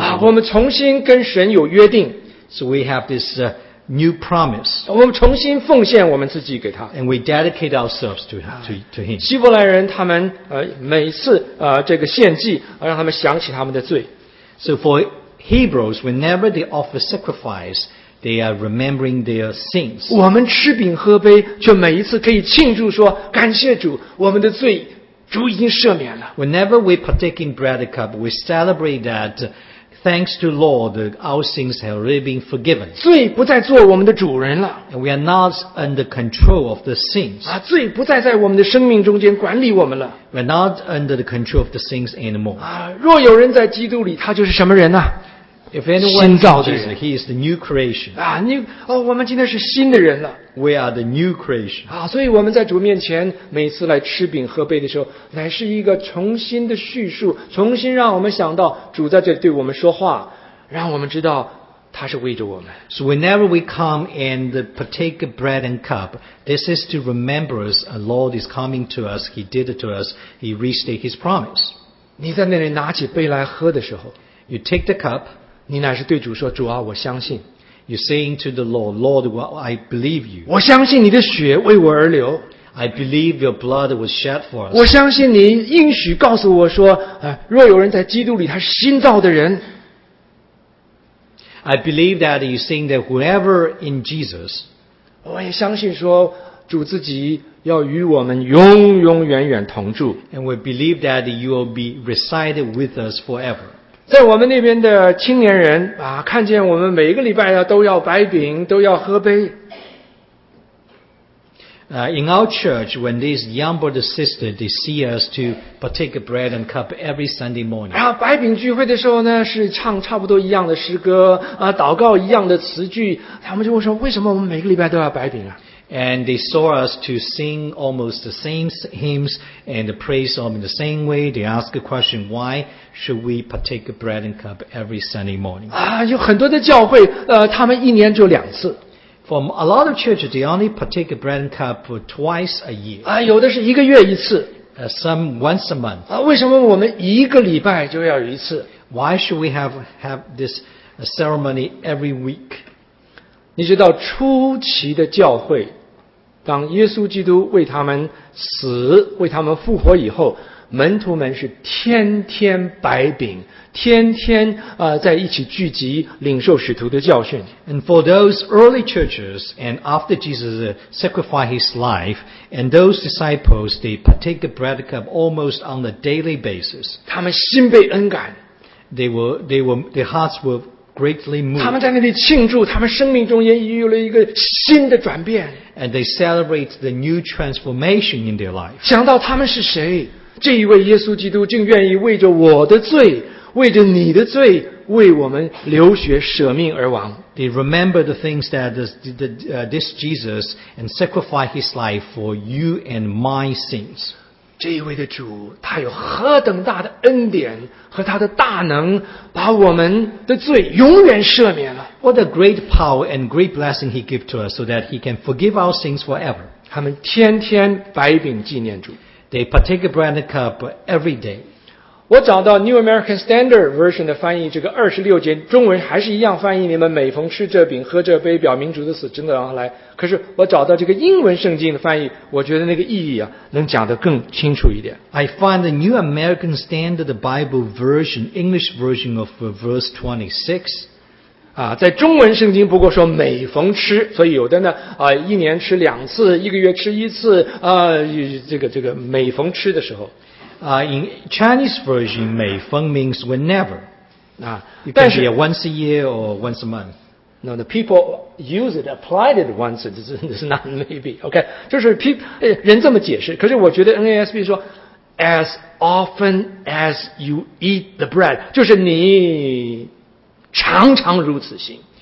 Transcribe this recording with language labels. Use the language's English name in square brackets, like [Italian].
[Chinese] 啊，我们重新跟神有约定。 [English] So we have this new promise. [Chinese] 我们重新奉献我们自己给他。 [English] And we dedicate ourselves to him. [Chinese] 希伯来人他们每次这个献祭让他们想起他们的罪。 [English] So for Hebrews, whenever they offer sacrifice, they are remembering their sins. [Chinese] 我们吃饼喝杯就每一次可以庆祝说感谢主，我们的罪主已经赦免了。 [English] Whenever we partake in bread and cup, we celebrate that thanks to Lord, our sins have already been forgiven. [Chinese] 罪不再做我们的主人了。 [English] And we are not under control of the sins. [Chinese] 啊，罪不再在我们的生命中间管理我们了。 [English] We are not under the control of the sins anymore. [Chinese] 啊，若有人在基督里，他就是什么人呢？ [English] If anyone is in Jesus, he is the new creation. [Chinese] 啊，你哦，我们今天是新的人了。 [English] We are the new creation. [Chinese] 啊，所以我们在主面前每次来吃饼喝杯的时候，乃是一个重新的叙述，重新让我们想到主在这里对我们说话，让我们知道他是为着我们。 [English] So whenever we come and partake bread and cup, this is to remember us. A Lord is coming to us. He did it to us. He restated His promise. [Chinese] 你在那里拿起杯来喝的时候 [English] ，You take the cup. [Chinese] 你乃是对主说：“主啊，我相信。” [English] You saying to the Lord, Lord, I believe you. [Chinese] 我相信你的血为我而流。 [English] I believe your blood was shed for us. [Chinese] 我相信你应许告诉我说：“若有人在基督里，他是新造的人。” [English] I believe that you saying that whoever in Jesus. [Chinese] 我也相信说主自己要与我们永永远远同住。 [English] And we believe that you will be resided with us forever. [Chinese] 在我们那边的青年人啊，看见我们每一个礼拜都要摆饼，都要喝杯。 [English] In our church, when these young brother sisters they see us to partake bread and cup every Sunday morning. [Chinese] 然后摆饼聚会的时候呢，是唱差不多一样的诗歌啊，祷告一样的词句，他们就会说：为什么我们每个礼拜都要摆饼啊？ [English] And they saw us to sing almost the same hymns and praise them in the same way. They ask a question, why should we partake bread and cup every Sunday morning? [Chinese] 啊，有很多的教会，他们一年就两次。 [English] From a lot of churches, they only partake bread and cup twice a year. [Chinese] 啊，有的是一个月一次。 [English] Some once a month. [Chinese] 啊，为什么我们一个礼拜就要有一次？ [English] Why should we have this ceremony every week? [Chinese] 你知道初期的教会，当耶稣基督为他们死、为他们复活以后，门徒们是天天摆饼，天天在一起聚集，领受使徒的教训。 [English] And for those early churches, and after Jesus sacrificed his life, and those disciples, they partake the bread cup almost on a daily basis. [Chinese] 他们心被恩感。 [English] Their hearts were. Greatly moved. [Chinese] 他们在那里庆祝，他们生命中也有了一个新的转变。 [English] And they celebrate the new transformation in their life. [Chinese] 想到他们是谁，这一位耶稣基督竟愿意为着我的罪，为着你的罪，为我们流血舍命而亡。 [English] They remember the things that this Jesus and sacrifice his life for you and my sins. [Chinese] 这一位的主，他有何等大的恩典和他的大能，把我们的罪永远赦免了。 [English] What a great power and great blessing he gives to us so that he can forgive our sins forever. [Chinese] 他们天天白饼纪念主。 [English] They partake of bread and cup every day. [Chinese] 我找到 New American Standard Version 的翻译，这个26节中文还是一样翻译，你们每逢吃这饼喝这杯，表明主的死，真的要来。可是我找到这个英文圣经的翻译，我觉得那个意义啊，能讲得更清楚一点。 [English] I find the New American Standard Bible Version, English version of verse 26. [Chinese] 啊，在中文圣经不过说每逢吃，所以有的呢，一年吃两次，一个月吃一次，这个每逢吃的时候。 [English] In Chinese version, 每逢 means whenever. 啊，但是 once a year or once a month. No, the people use it, applied it once. It's not maybe. [Chinese] Okay, 就是 people 人这么解释。可是我觉得 NASB 说 ， [English] as often as you eat the bread， [Chinese] 就是你常常如此行。